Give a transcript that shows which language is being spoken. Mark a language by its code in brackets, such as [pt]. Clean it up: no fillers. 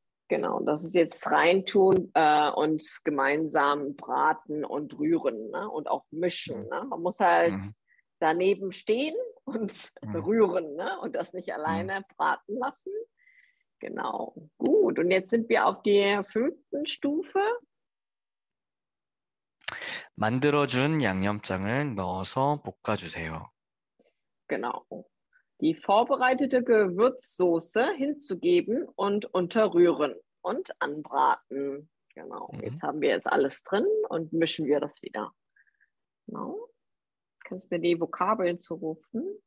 [de] Genau, das ist jetzt reintun und gemeinsam braten und rühren, ne? Und auch mischen. Ne? Man muss halt daneben stehen und rühren, ne? Und das nicht alleine braten lassen. Genau, gut. Und jetzt sind wir auf der fünften Stufe. [ko] 만들어준 양념장을 넣어서 볶아주세요. [de] Genau. die vorbereitete Gewürzsoße hinzugeben und unterrühren und anbraten. Genau, jetzt haben wir jetzt alles drin und mischen wir das wieder. Genau. Kannst du mir die Vokabeln zurufen?